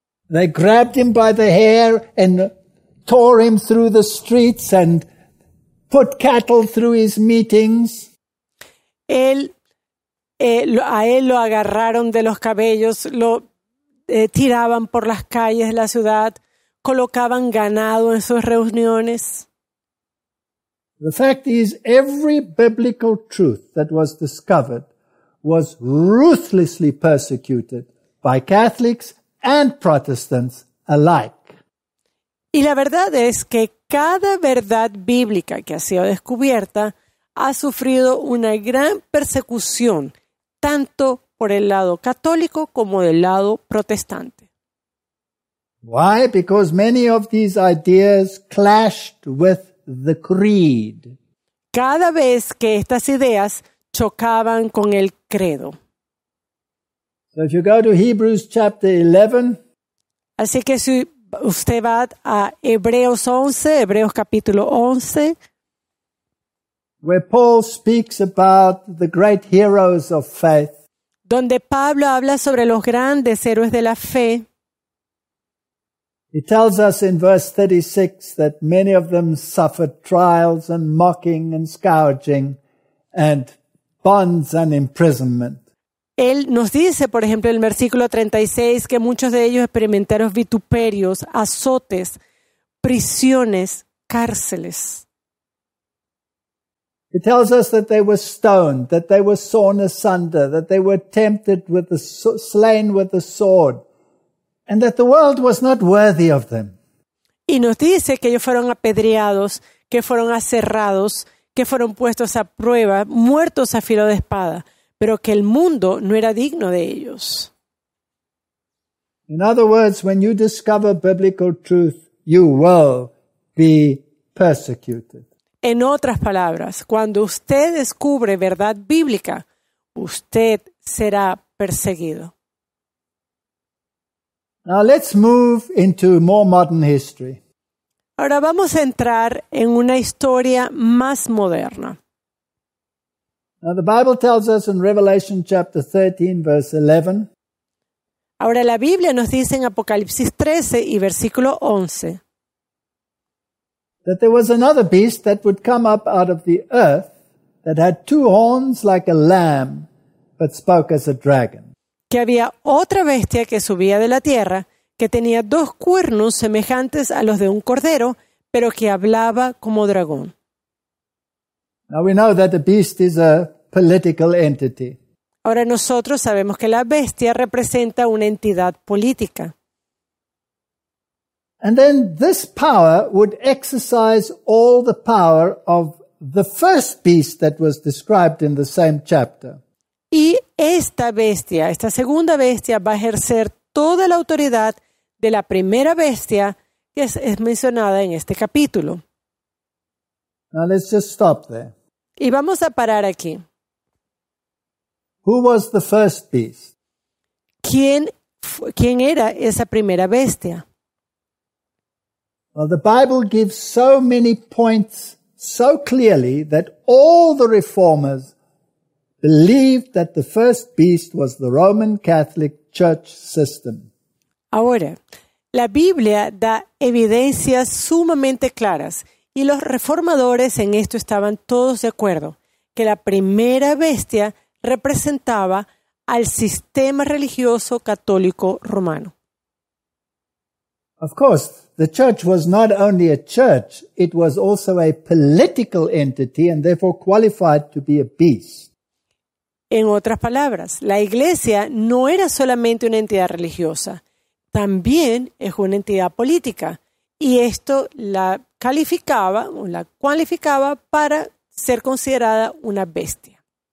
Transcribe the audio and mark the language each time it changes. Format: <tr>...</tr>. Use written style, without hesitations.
<en>They grabbed him by the hair and tore him through the streets and put cattle through his meetings.</en> <es>A él lo agarraron de los cabellos, lo tiraban por las calles de la ciudad, colocaban ganado en sus reuniones.</es> <en>The fact is, every biblical truth that was discovered was ruthlessly persecuted by Catholics and Protestants alike.</en> <es>Y la verdad es que cada verdad bíblica que ha sido descubierta ha sufrido una gran persecución, tanto por el lado católico como del lado protestante.</es> <en>Why? Because many of these ideas clashed with the creed.</en> <es>Cada vez que estas ideas chocaban con el credo.</es> <en>So if you go to Hebrews chapter 11,</en> <es>así que si usted va a Hebreos 11, Hebreos capítulo 11,</es> <en>where Paul speaks about the great heroes of faith,</en> <es>donde Pablo habla sobre los grandes héroes de la fe,</es> <en>he tells us in verse 36 that many of them suffered trials and mocking and scourging and bonds and imprisonment.</en> <es>Él nos dice, por ejemplo, en el versículo 36, que muchos de ellos experimentaron vituperios, azotes, prisiones, cárceles.</es> <en>He tells us that they were stoned, that they were sawn asunder, that they were tempted with the slain with the sword, and that the world was not worthy of them.</en> <es>Y nos dice que ellos fueron apedreados, que fueron aserrados, que fueron puestos a prueba, muertos a filo de espada, pero que el mundo no era digno de ellos.</es> <en>In other words, when you discover biblical truth, you will be persecuted.</en> <es>En otras palabras, cuando usted descubre verdad bíblica, usted será perseguido.</es> <en>Now let's move into more modern history.</en> <es>Ahora vamos a entrar en una historia más moderna.</es> <en>Now the Bible tells us in Revelation chapter 13 verse 11.</en> <es>Ahora la Biblia nos dice en Apocalipsis 13 y versículo 11.</es> <en>That there was another beast that would come up out of the earth that had two horns like a lamb but spoke as a dragon.</en> <es>Que había otra bestia que subía de la tierra que tenía dos cuernos semejantes a los de un cordero, pero que hablaba como dragón.</es> <en>Now we know that the beast is a political entity.</en> <es>Ahora nosotros sabemos que la bestia representa una entidad política.</es> <en>And then this power would exercise all the power of the first beast that was described in the same chapter.</en> <es>Y esta bestia, esta segunda bestia, va a ejercer toda la autoridad de la primera bestia que es mencionada en este capítulo.</es> <en>Now let's just stop there.</en> <es>Y vamos a parar aquí.</es> <en>Who was the first beast?</en> <es>¿Quién era esa primera bestia?</es> <en>Well, the Bible gives so many points so clearly that all the reformers believed that the first beast was the Roman Catholic Church system.</en> <es>Ahora, La Biblia da evidencias sumamente claras y los reformadores en esto estaban todos de acuerdo, que la primera bestia representaba al sistema religioso católico romano.</es> <en>Of course, the church was not only a church, it was also a political entity and therefore qualified to be a beast.</en> <es>En otras palabras, la iglesia no era solamente una entidad religiosa, también es una entidad política, y esto la calificaba o la cualificaba para ser considerada una bestia.</es>